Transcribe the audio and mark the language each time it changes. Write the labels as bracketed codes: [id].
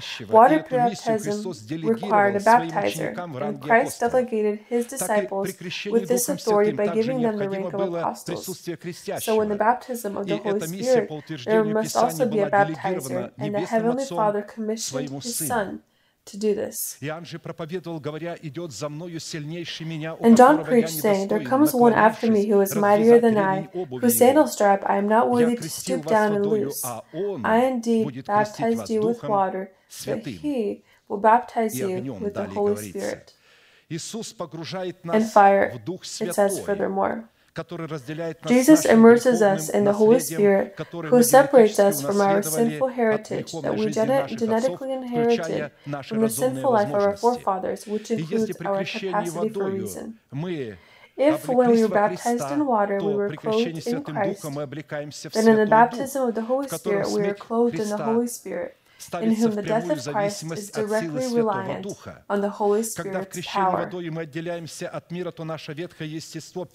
[en] Water baptism required a baptizer, and Christ delegated His disciples with this authority by giving them the rank of apostles. So in the baptism of the Holy Spirit, there must also be a baptizer, and the Heavenly Father commissioned His Son to do this. [ru] Иоанн же проповедовал, говоря, идет за мною сильнейший меня, у которого я недостоин, [en] there comes one after me who is mightier than I, whose sandal strap I am not worthy to stoop down and loose. I indeed baptized you with water, but He will baptize you with the Holy Spirit. [ru] Иисус погружает нас в Дух Святой. [en] It says furthermore, Jesus immerses us in the Holy Spirit, who separates us from our sinful heritage that we genetically inherited from the sinful life of our forefathers, which includes our capacity for reason. If when we were baptized in water, we were clothed in Christ, then in the baptism of the Holy Spirit, we are clothed in the Holy Spirit, in whom the death of Christ is directly reliant on the Holy Spirit's power.